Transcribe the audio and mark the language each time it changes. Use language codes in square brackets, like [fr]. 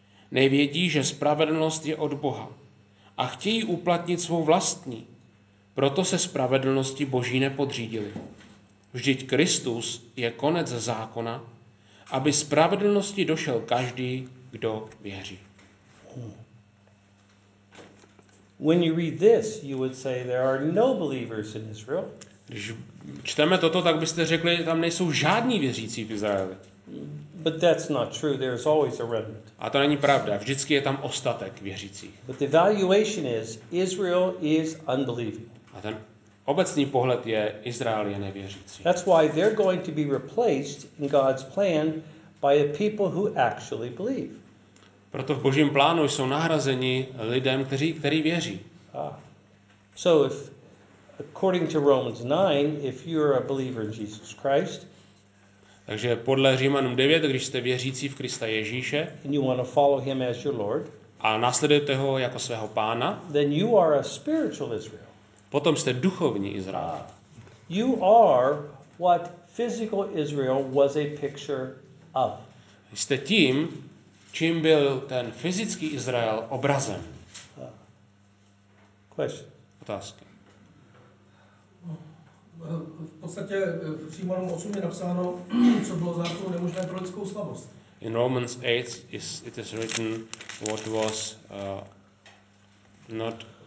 [cs] Nevědí, že spravedlnost je od Boha a chtějí uplatnit svou vlastní, proto se spravedlnosti Boží nepodřídili. Vždyť Kristus je konec zákona, aby spravedlnosti došel každý, kdo věří. [en] When you read this, you would say there are no believers in Israel. [cs] Když čteme toto, tak byste řekli, tam nejsou žádní věřící v Izraeli. [en] But that's not true. There is always a remnant. [cs] A to není pravda. Vždycky je tam ostatek věřících. [en] But the evaluation is Israel is unbelieving. [cs] A ten obecný pohled je Izrael je nevěřící. [en] That's why they're going to be replaced in God's plan by a people who actually believe. [cs] Proto v Božím plánu jsou nahrazeni lidem, kteří věří. [en] So if according to Romans 9, if you're a believer in Jesus Christ, [cs] takže podle Římanům 9, když jste věřící v Krista Ježíše, [en] and you want to follow him as your Lord, [cs] a následujete ho jako svého pána, [en] then you are a spiritual Israel. [cs] Potom jste duchovní Izrael. [en] You are what physical Israel was a picture of. [cs] Jste tím, čím byl ten fyzický Izrael obrazem? [en] Question. [cs] Otázka. V podstatě v Římanům 8 je napsáno, co bylo zákonu nemožné pro lidskou slabost. [en] In Romans 8 it is written what was not